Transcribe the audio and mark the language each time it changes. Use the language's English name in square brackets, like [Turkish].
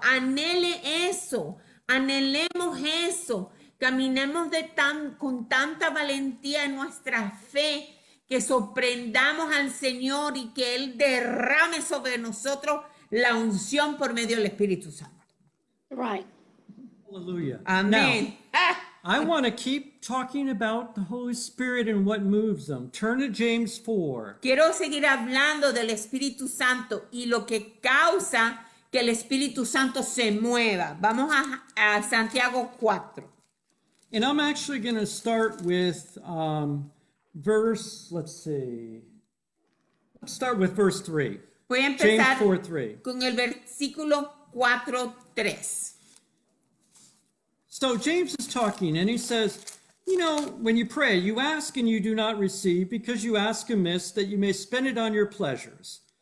[Spanish] Anhele eso. Anhelemos eso, caminemos con tanta valentía en nuestra fe, que sorprendamos al Señor y que Él derrame sobre nosotros la unción por medio del Espíritu Santo. [English] Right. Hallelujah. [Spanish] Amén. [English] I want to keep talking about the Holy Spirit and what moves them. Turn to James 4. [Spanish] Quiero seguir hablando del Espíritu Santo y lo que causa que el Espíritu Santo se mueva. Vamos a Santiago 4. [English] And I'm actually going to start with verse 3. [Spanish] Voy a empezar James 4, 3. Con el versículo 4:3. [English] So James is talking and he says, you know, when you pray, you ask and you do not receive because you ask amiss that you may spend it on your pleasures.